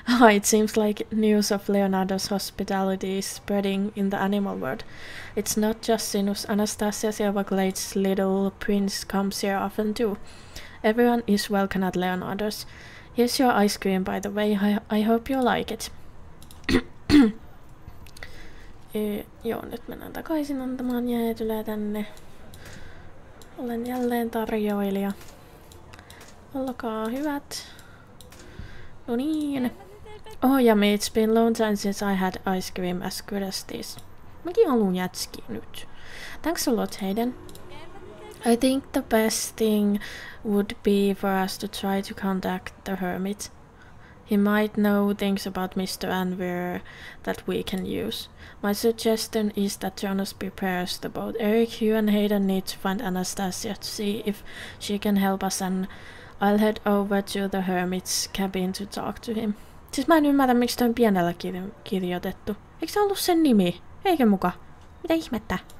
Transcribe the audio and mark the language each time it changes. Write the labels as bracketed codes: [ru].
[en] It seems like news of Leonardo's hospitality is spreading in the animal world. It's not just Sinus. Anastasia Silverglade's little prince comes here often too. Everyone is welcome at Leonardo's. Here's your ice cream, by the way. I hope you like it. [fi] Joo, nyt mennään takaisin antamaan jäätylää tänne. Olen jälleen tarjoilija. Olkaa hyvät. No niin. [en] Oh ja yeah, it's been long time since I had ice cream as good as this. [fi] Mäkin haluun jätskiä nyt. [en] Thanks a lot, Hayden. I think the best thing would be for us to try to contact the hermit. He might know things about Mr. Anvir that we can use. My suggestion is that Jonas prepares the boat. Eric, you and Hayden need to find Anastasia to see if she can help us, and I'll head over to the hermit's cabin to talk to him. [fi] Siis mä en ymmärrä, miksi toi on pienellä kirjoitettu. Eikö se ollut sen nimi? Eikö muka? Mitä ihmettä?